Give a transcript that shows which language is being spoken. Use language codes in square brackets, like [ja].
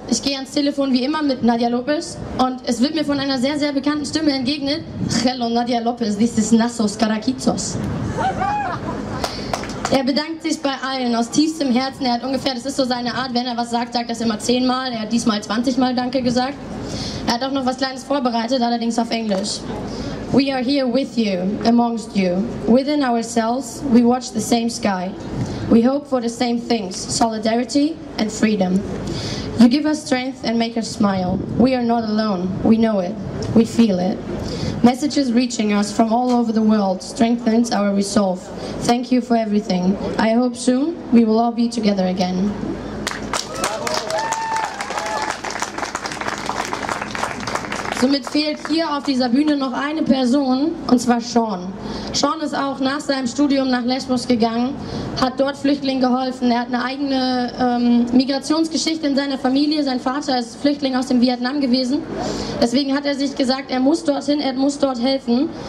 [de] Ich gehe ans Telefon wie immer mit Nadja Lopez und es wird mir von einer sehr, sehr bekannten Stimme entgegnet. [en] Hello Nadja Lopez, this is Nassos Karakitsos. [de] Er bedankt sich bei allen aus tiefstem Herzen. Er hat ungefähr, das ist so seine Art, wenn er was sagt, sagt er es immer 10-mal. Er hat diesmal 20-mal Danke gesagt. Er hat auch noch was Kleines vorbereitet, allerdings auf Englisch. [en] We are here with you, amongst you. Within ourselves, we watch the same sky. We hope for the same things, solidarity and freedom. You give us strength and make us smile. We are not alone, we know it, we feel it. Messages reaching us from all over the world strengthens our resolve. Thank you for everything. I hope soon we will all be together again. [de] Somit fehlt hier auf dieser Bühne noch eine Person, und zwar Sean. Sean ist auch nach seinem Studium nach Lesbos gegangen, hat dort Flüchtlingen geholfen. Er hat eine eigene Migrationsgeschichte in seiner Familie. Sein Vater ist Flüchtling aus dem Vietnam gewesen. Deswegen hat er sich gesagt, er muss dorthin, er muss dort helfen.